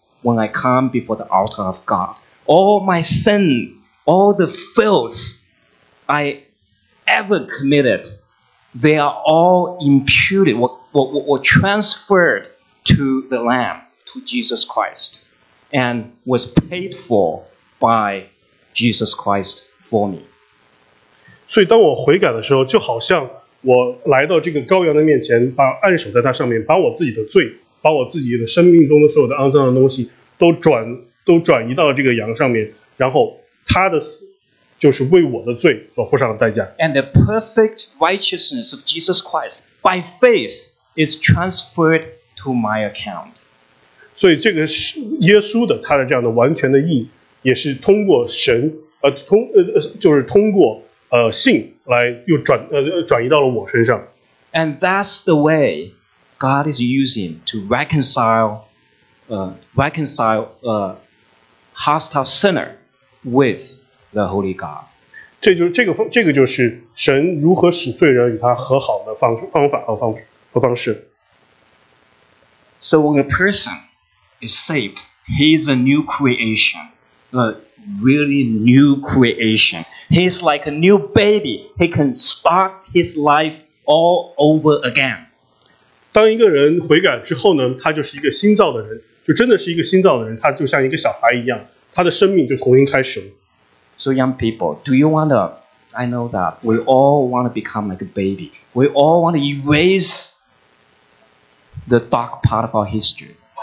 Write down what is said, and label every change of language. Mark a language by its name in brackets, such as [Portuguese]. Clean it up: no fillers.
[English] When I come before the altar of God, all my sin, all the filth I ever committed, they are all imputed or transferred to the Lamb, to Jesus Christ, and was paid for by Jesus Christ for me. [Chinese] 所以当我悔改的时候，就好像我来到这个羔羊的面前，把按手在他上面，把我自己的罪，把我自己的生命中的所有的肮脏的东西都转移到了这个羊上面，然后他的死就是为我的罪所付上的代价。 [English] And the perfect righteousness of Jesus Christ by faith is transferred to my account. [Chinese] 所以这个是耶稣的他的这样的完全的义，也是通过神就是通过信来又转移到了我身上。 [English] And that's the way God is using to reconcile a hostile sinner with the Holy God. [Chinese] 这个就是神如何使罪人与他和好的方法和方式。 [English] So when a person is saved, he is a new creation, a really new creation. He is like a new baby. He can start his life all over again. [Chinese] 当一个人悔改之后呢，他就是一个新造的人。就真的是一个新造的人，他就像一个小孩一样，他的生命就重新开始了。 [English] So young people, do you want to? I know that we all want to become like a baby. We all want to erase the dark part of our history.